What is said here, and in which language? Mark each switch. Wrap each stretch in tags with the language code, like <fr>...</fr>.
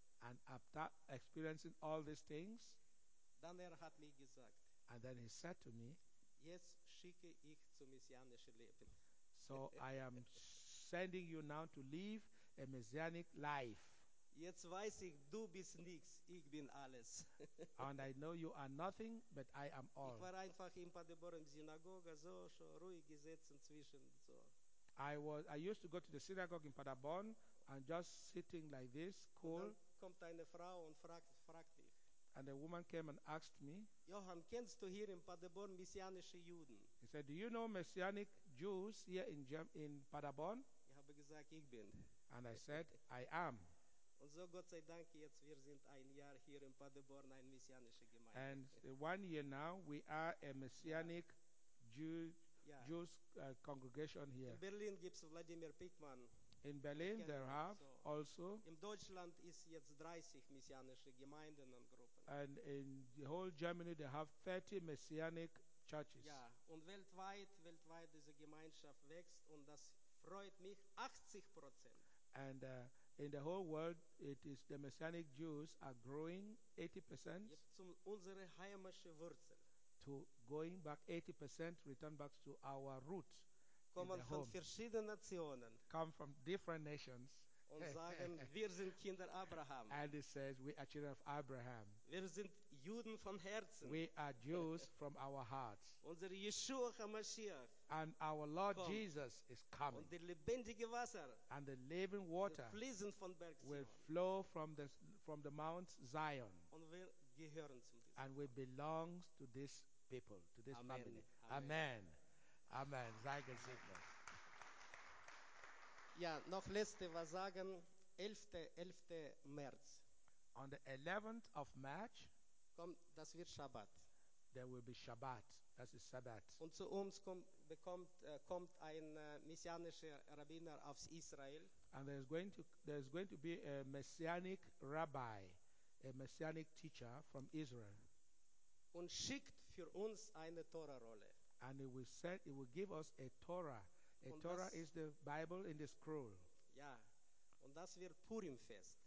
<en>and after experiencing all these things,</en> <de>dann er hat mir gesagt,</de> <en>and then he said to me,</en> <de>jetzt schicke ich zum messianischen Leben.</de> <en>So I am sending you now to live a messianic life.</en> <de>Jetzt weiß ich, du bist nichts, ich bin alles.</de> <en>And I know you are nothing, but I am all.</en> <de>Ich war einfach in Paderborn Synagoge, so schon ruhig gesessen zwischen so.</de> <en>I used to go to the synagogue in Paderborn and just sitting like this, cool.</en> <de>Und dann kommt eine Frau und fragt dich.</de> <en>And a woman came and asked me,</en> <de>Johann, kennst du hier in Paderborn messianische Juden?</de> <en>He said, do you know messianic Jews here in Paderborn?</en> <de>Ich habe gesagt, ich bin.</de> <en>And I said, I am.</en> <de>Und so Gott sei Dank, jetzt wir sind ein Jahr hier in Paderborn, eine messianische Gemeinde.</de> <en>And 1 year now, we are a messianic Jews congregation here.</en> <de>In Berlin gibt's Vladimir Pickmann.</de> <en>In Berlin there have so. Also.</en> <de>In Deutschland ist jetzt 30 messianische Gemeinden und Gruppen.</de> <en>And in the whole Germany they have 30 messianic churches.</en> <de>Ja, und weltweit diese Gemeinschaft wächst und das freut mich 80%.</de> <en>And in the whole world it is the messianic Jews are growing 80%.</en> <de>Jetzt zum unsere heimische Wurzel.</de> <en>To going back 80%, return back to our roots.</en> <de>Kommen von verschiedenen Nationen.</de> <en>Come from different nations.</en> <de>Und sagen, wir sind Kinder Abraham.</de> <en>And it says, we are children of Abraham.</en> <de>Wir sind Juden von Herzen.</de> <en>We are Jews from our hearts.</en> <de>Unser Yeshua HaMashiach.</de> <en>And our Lord</en> <de>kommt.</de> <en>Jesus is coming.</en> <de>Und die lebendige Wasser.</de> <en>And the living water.</en> <de>Die fließen von Berg Zion.</de> <en>Will flow from the Mount Zion.</en> <de>Und wir gehören zum Diesen.</de> <en>And we belong to this people, to this Amen. Family. Amen.</en> <de>Amen. Sei gesegnet. Ja, noch letzte was sagen. 11. März.</de> <en>On the 11th of March.</en> <de>Kommt, das wird Shabbat.</de> <en>there will be Shabbat. That is Sabbath.</en> <de>Und zu uns kommt ein messianischer Rabbiner aus Israel.</de> <en>And there is going to be a messianic rabbi, a messianic teacher from Israel.</en> <de>Und schickt für uns eine Torah-Rolle.</de> <en>And he will give us a Torah. Is the Bible in the scroll.</en> <de>Ja, und das wird Purim fest.</de>